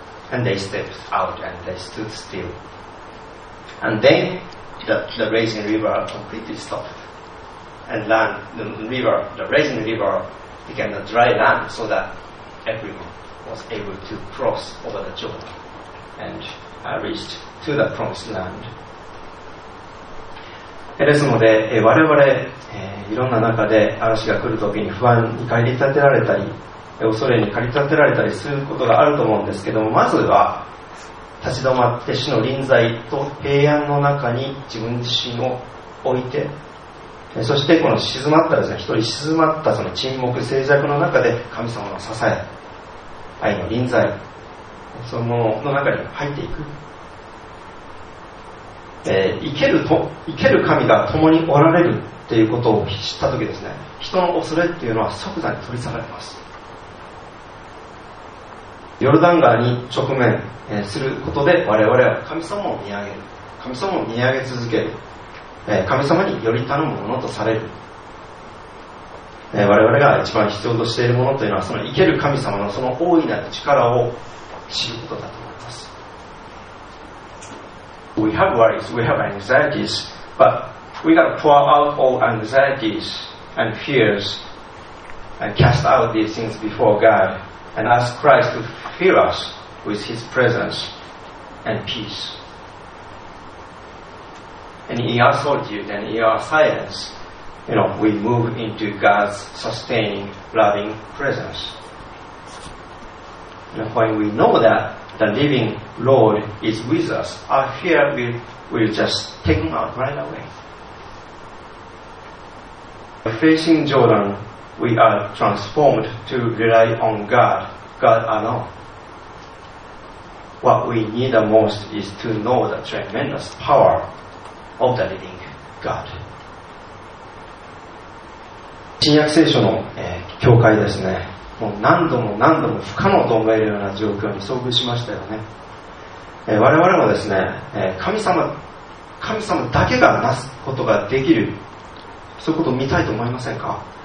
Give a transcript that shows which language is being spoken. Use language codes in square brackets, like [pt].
[en] And they stepped out and they stood still. And then the raging river completely stopped. And land, the raging river became a dry land so that everyone was able to cross over the Jordan and reached to the promised land. [ja] ですので、我々、いろんな中で嵐が来るときに不安に駆り立てられたり、恐れに駆り立てられたりすることがあると思うんですけども、まずは立ち止まって主の臨在と平安の中に自分自身を置いて、そしてこの静まったですね、一人静まったその沈黙静寂の中で神様の支え、愛の臨在、その中に入っていく、生ける神が共におられるということを知ったときですね、人の恐れっていうのは即座に取り去られます。ヨルダン川に直面することで我々は神様を見上げる、神様を見上げ続ける、神様により頼むものとされる。我々が一番必要としているものというのは、その生ける神様のその大いなる力を知ることだと思います。 [en] We have worries, we have anxieties, but we got to pour out all anxieties and fears and cast out these things before God and ask Christ to fill us with his presence and peace. And in our solitude and in our silence, you know, we move into God's sustaining, loving presence. And when we know that the living Lord is with us, our fear will just take him out right away. Facing Jordan, we are transformed to rely on God, God alone. What we need the most is to know the tremendous power of the living God. [ja] 新約聖書の、教会ですね、もう何度も何度も不可能と思えるような状況に遭遇しましたよね。我々もですね、神様だけがなすことができる、そういうことを見たいと思いませんか。